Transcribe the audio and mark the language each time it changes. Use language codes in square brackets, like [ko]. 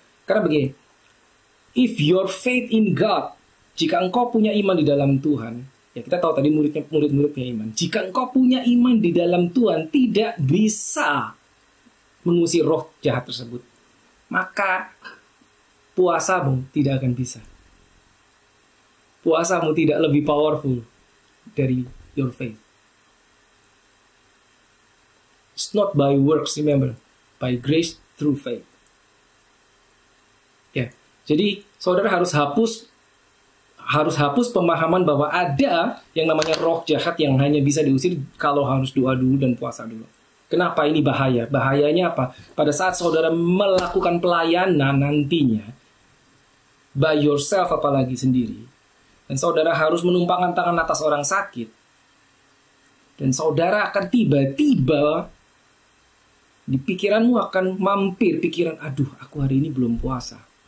[id] Karena begini, [en] if your faith in God, [id] jika engkau punya iman di dalam Tuhan, ya kita tahu tadi murid-muridnya iman, jika engkau punya iman di dalam Tuhan, tidak bisa mengusir roh jahat tersebut, maka puasamu tidak akan bisa. Puasamu tidak lebih powerful dari [en] your faith. It's not by works, remember, by grace through faith. [id] Ya, jadi saudara harus hapus pemahaman bahwa ada yang namanya roh jahat yang hanya bisa diusir kalau harus doa dulu dan puasa dulu. Kenapa ini bahaya? Bahayanya apa? Pada saat saudara melakukan pelayanan nantinya [en] by yourself [id] apalagi sendiri, dan saudara harus menumpangkan tangan atas orang sakit, dan saudara akan tiba-tiba di pikiranmu akan mampir pikiran, aduh, aku hari ini belum puasa.